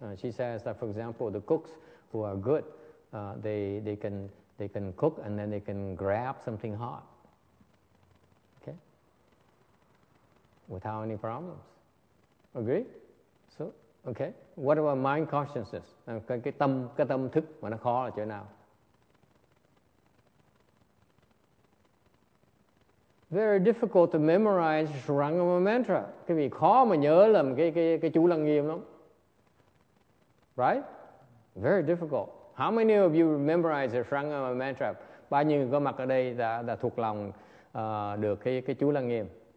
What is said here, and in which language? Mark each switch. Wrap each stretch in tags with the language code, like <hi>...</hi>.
<en>She says that, for example, the cooks who are good, they can cook and then they can grab something hot, okay, without any problems. Agree? So, okay. What about mind consciousness?</en> <vi>Cái tâm thức mà nó khó ở chỗ nào?</vi> <en>Very difficult to memorize Rangama mantra.</en> <vi>Cái vị khó mà nhớ làm cái chú Lăng Nghiêm lắm.</vi> <en>Right? Very difficult. How many of you memorize the Rangama mantra?</en> <vi>Bao nhiêu người có mặt ở đây đã thuộc lòng được cái chú Lăng Nghiêm?</vi>